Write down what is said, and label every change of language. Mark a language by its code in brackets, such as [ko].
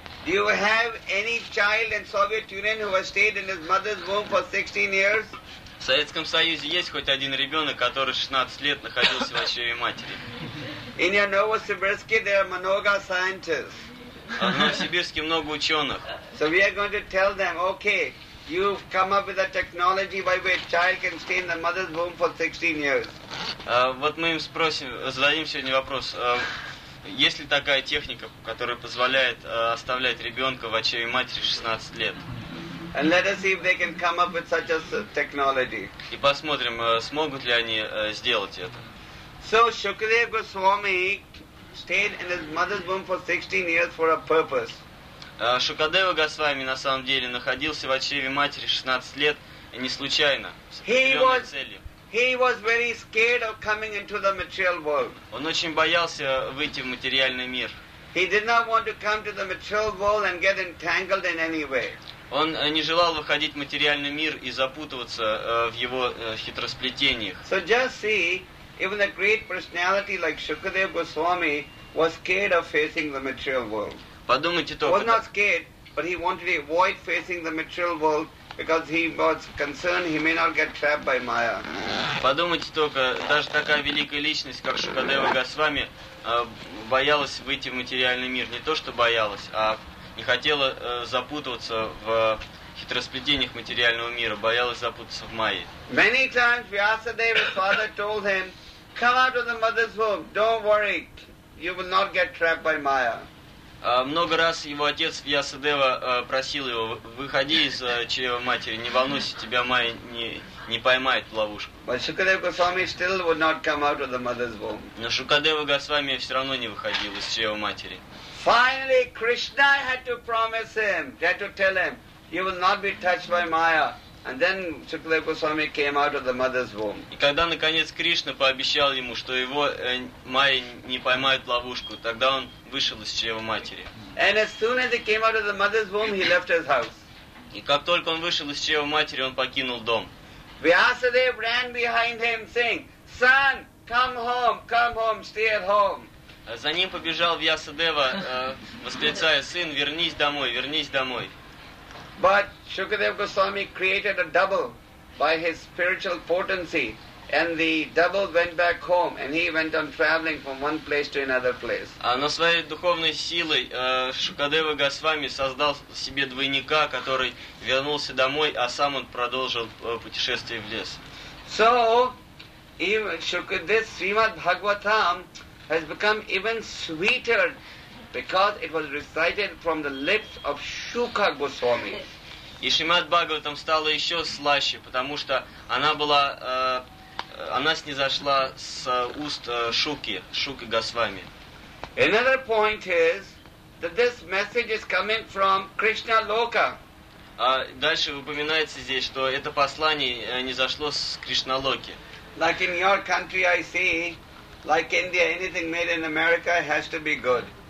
[en] Do you have any child in Soviet Union who has stayed in his mother's womb for 16 years? [ru] В Советском Союзе есть хоть один ребенок, который 16 лет находился в чреве матери? [en] In your Novosibirsk there are [ru] много [en] scientists. [ru] В Новосибирске много ученых. [en] So we are going to tell them, okay, you've come up with a technology by which child can stay in the mother's womb for 16 years. [ru] Вот мы им спросим, зададим сегодня вопрос. Есть ли такая техника, которая позволяет оставлять ребенка в чреве матери 16 лет? [en] And let us see if they can come up with such a technology. [ru] И посмотрим, смогут ли они сделать это. [en] So Shukadev Goswami stayed in his mother's womb for 16 years for a purpose. [ru] Шукадева Госвами на самом деле находился в чреве матери 16 лет не случайно, с определенной целью. [en] He was very scared of coming into the material world. [ru] Он очень боялся выйти в материальный мир. [en] He did not want to come to the material world and get entangled in any way. [ru] Он не желал выходить в материальный мир и запутываться в его хитросплетениях. [en] So just see, even a great personality like Shukadev Goswami was scared of facing the material world. [ru] Подумайте только. [en] Was not scared, but he wanted to avoid facing the material world because he was concerned he may not get trapped by Maya. [ru] Подумайте только, даже такая великая личность, как Шукадева Госвами, боялась выйти в материальный мир. Не то, что боялась, а не хотела запутываться в хитросплетениях материального мира, боялась запутаться в Майе. [en] Many times Vyasadeva's father told him, come out of the mother's womb, don't worry, you will not get trapped by Maya. [ru] Много раз его отец Вьясадева просил его, выходи из чрева матери, не волнуйся, тебя Майя не поймает в ловушку. [en] But Shukadeva Goswami still would not come out of the mother's womb. [ru] Но Шукадева Госвами все равно не выходил из чрева матери. [en] Finally, Krishna had to promise him, had to tell him, you will not be touched by Maya. And then Shukadeva Goswami came out of the mother's womb. [ru] И когда наконец Кришна пообещал ему, что его Майя не поймает в ловушку, тогда он вышел из чрева матери. [en] And as soon as he came out of the mother's womb, he left his house. [ru] И как только он вышел из чрева матери, он покинул дом. [en] Vyasadeva ran behind him, saying, "Son, come home, stay at home." [ru] За ним побежал Вьясадева, восклицая, «Сын, вернись домой, вернись домой!» [en] But Shukadev Goswami created a double by his spiritual potency, and the double went back home, and he went on traveling from one place to another place. [ru] Но своей духовной силой Шукадева Госвами создал себе двойника, который вернулся домой, а сам он продолжил путешествие в лес. [en] So, this Srimad Bhagavatam has become even sweeter because it was recited from the lips of Shuka Goswami. [ru] И Шримад Бхагаватам стала еще слаще, потому что она была, она снизошла с уст Шуки Госвами. [en] Another point is that this message is coming from Krishna Loka. [ru] Дальше упоминается здесь, что это послание не зашло с Кришналоки. [en] Like in your country, I see, Like India, anything made in America has to be good.